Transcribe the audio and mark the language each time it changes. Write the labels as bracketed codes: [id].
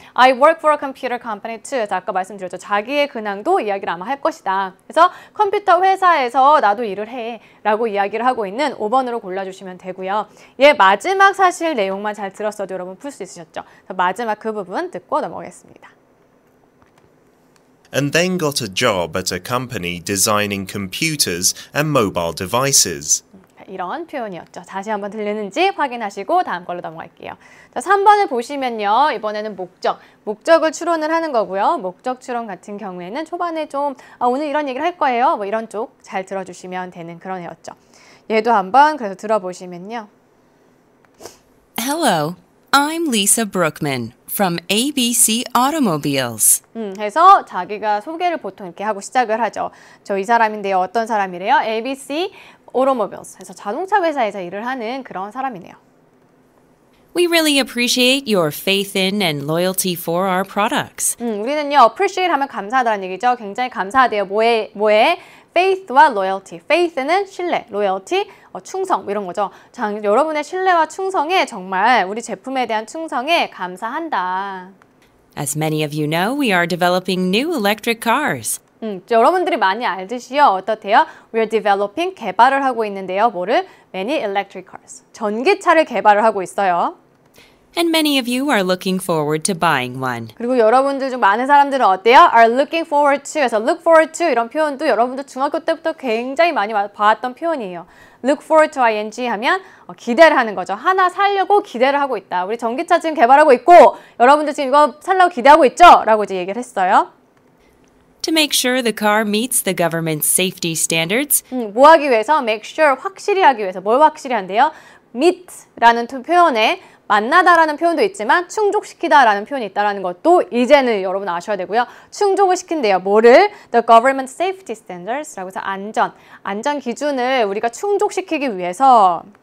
[en] I work for a computer company too. [ko] 아까 말씀드렸죠. 자기의 근황도 이야기를 아마 할 것이다. 그래서 컴퓨터 회사에서 나도 일을 해라고 이야기를 하고 있는 5번으로 골라주시면 되고요. 예, 마지막 사실 내용만 잘 들었어도 여러분 풀 수 있으셨죠. 마지막 그 부분 듣고 넘어가겠습니다. [en] And then got a job at a company designing computers and mobile devices. [ko] 이런 표현이었죠. 다시 한번 들리는지 확인하시고 다음 걸로 넘어갈게요. 자, 3번을 보시면요. 이번에는 목적. 목적을 추론을 하는 거고요. 목적 추론 같은 경우에는 초반에 좀 오늘 이런 얘기를 할 거예요. 뭐 이런 쪽 잘 들어주시면 되는 그런 애였죠. 얘도 한번 그래서 들어보시면요. [en] Hello. I'm Lisa Brookman from ABC Automobiles. [ko] 해서 자기가 소개를 보통 이렇게 하고 시작을 하죠. 저 이 사람인데요. 어떤 사람이래요? ABC Automobiles. 해서 자동차 회사에서 일을 하는 그런 사람이네요. [en] We really appreciate your faith in and loyalty for our products. [ko] 우리는요. appreciate 하면 감사하다는 얘기죠. 굉장히 감사하대요. 뭐에? Faith와 loyalty. Faith는 신뢰, loyalty, 충성 이런 거죠. 자, 여러분의 신뢰와 충성에 정말 우리 제품에 대한 충성에 감사한다. [en] As many of you know, we are developing new electric cars. [ko] 여러분들이 많이 알듯이요. 어떻대요? [en] We are developing, [ko] 개발을 하고 있는데요. 뭐를? [en] Many electric cars. [ko] 전기차를 개발을 하고 있어요. [en] And many of you are looking forward to buying one. [ko] 그리고 여러분들 중 많은 사람들은 어때요? [en] Are looking forward to. [ko] 그래서 [en] look forward to [ko] 이런 표현도 여러분들 중학교 때부터 굉장히 많이 봤던 표현이에요. [en] Look forward to ing [ko] 하면 기대를 하는 거죠. 하나 살려고 기대를 하고 있다. 우리 전기차 지금 개발하고 있고 여러분들 지금 이거 살려고 기대하고 있죠? 라고 이제 얘기를 했어요. [en] To make sure the car meets the government's safety standards. [ko] 뭐 하기 위해서? [en] Make sure [ko] 확실히 하기 위해서. 뭘 확실히 한대요? meet라는 표현에 만나다라는 표현도 있지만 충족시키다라는 표현이 있다라는 것도 이제는 여러분 아셔야 되고요. 충족을 시킨대요. 뭐를? [en] The government safety standards [ko] 라고 해서 안전 기준을 우리가 충족시키기 위해서